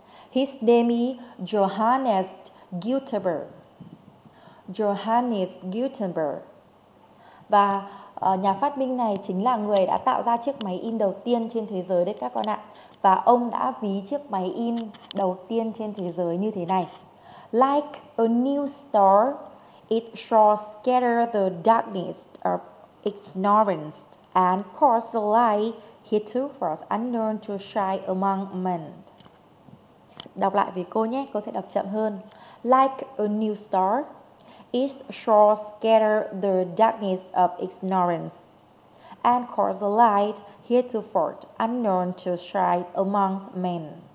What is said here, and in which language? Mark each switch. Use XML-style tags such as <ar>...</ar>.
<en>His name is Johannes Gutenberg. Johannes Gutenberg.</en> <vi>Và nhà phát minh này chính là người đã tạo ra chiếc máy in đầu tiên trên thế giới đấy các con ạ. Và ông đã ví chiếc máy in đầu tiên trên thế giới như thế này.</vi> <en>Like a new star, it shall scatter the darkness of ignorance and cause the light hitherto first unknown to shine among men.</en> <vi>Đọc lại với cô nhé, cô sẽ đọc chậm hơn.</vi> <en>Like a new star, it shall scatter the darkness of ignorance and cause the light heretofore unknown to shine amongst men.</en>